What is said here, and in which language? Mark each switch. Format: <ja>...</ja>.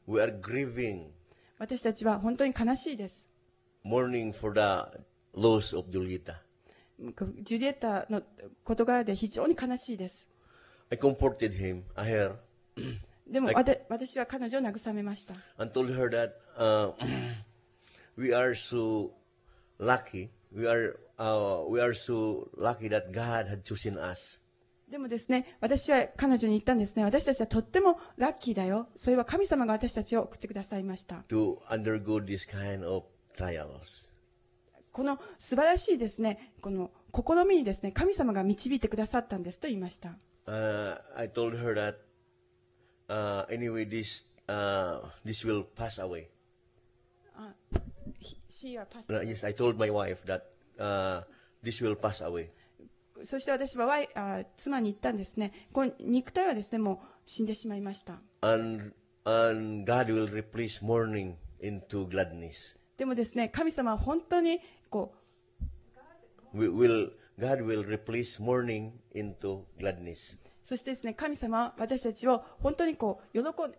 <en>We are grieving.</en> <ja>私たちは本当に悲しいです。</ja> <en>Mourning for the loss of Julieta.</en> <ja>ジュリエッタの事柄で非常に悲しいです。</ja> <en>I comforted him, I heard.</en> <ja>でも私は彼女を慰めました。</ja> <en>And told her that, we are so lucky. We are so lucky that God had chosen us.</en> <ja>でもですね、私は彼女に言ったんですね。私たちはとってもラッキーだよ。それは神様が私たちを送ってくださいました。</ja> <en>To undergo this kind of trials.</en> <ja>この素晴らしいですね、この試みにですね、神様が導いてくださったんですと言いました。</ja> <en>I told her that, anyway, this, this will pass away. She will pass away. Yes, I told my wife that. This will pass away.</en> <ja>そして私は妻に言ったんですね。この肉体はですね、もう死んでしまいました。</ja> <en>And And God will replace mourning into gladness.</en> <ja>でもですね、神様は本当にこう、</ja> <en>God will replace mourning into gladness.</en> <ja>そしてですね、神様は私たちを本当にこう喜ん、</ja> <en>He</en>